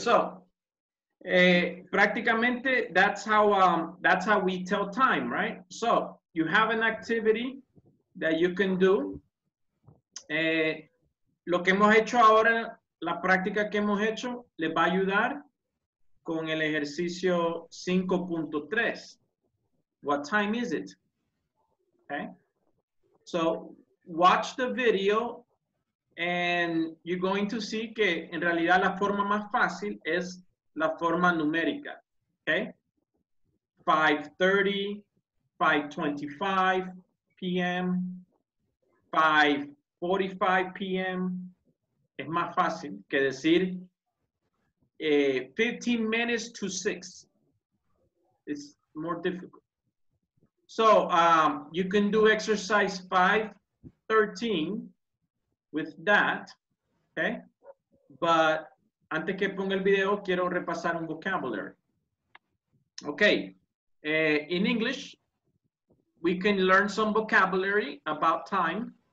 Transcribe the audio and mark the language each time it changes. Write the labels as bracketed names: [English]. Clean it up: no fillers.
[English] So, practically, that's how we tell time, right? So, you have an activity that you can do. [Spanish] Lo que hemos hecho ahora. La práctica que hemos hecho les va a ayudar con el ejercicio 5.3. [English] What time is it? Okay. So, watch the video and you're going to see [Spanish] que en realidad la forma más fácil es la forma numérica. [English] Okay. [Spanish] 5:30, 5:25 p.m., 5:45 p.m., es más fácil que decir 15 [English] minutes to 6. It's more difficult. So you can do exercise 5:13 with that, okay? [Spanish] But antes que ponga el video, quiero repasar un vocabulary. [English] Okay, in English, we can learn some vocabulary about time.